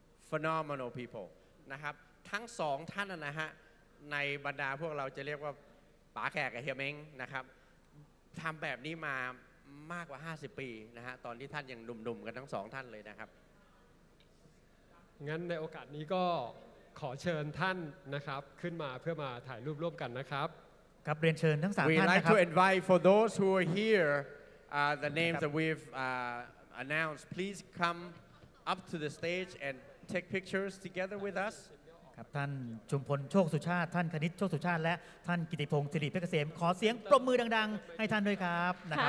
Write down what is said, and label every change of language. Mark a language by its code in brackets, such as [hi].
[en] Phenomenal people. [th] นะครับทั้งสองท่านนะฮะในบรรดาพวกเราจะเรียกว่าป๋าแขกกับเฮียเม้งนะครับทำแบบนี้มามากกว่า50ปีนะฮะตอนที่ท่านยังหนุ่มๆกันทั้งสองท่านเลยนะครับ งั้นในโอกาสนี้ก็ขอเชิญท่านนะครับขึ้นมาเพื่อมาถ่ายรูปร่วมกันนะครับ ครับเรียนเชิญทั้งสามท่ าน นะครับ [en] We'd like to invite for those who are hereThe names that we've announced, please come up to the stage and take pictures together with us. [th] ครับท่านชุมพลโชคสุชาติท่านคณิตโชคสุชาติและท่านกิติพงศ์สิริเพชรเกษมขอเสียงปรบมือดังๆให้ท่านด้วยครับนะคร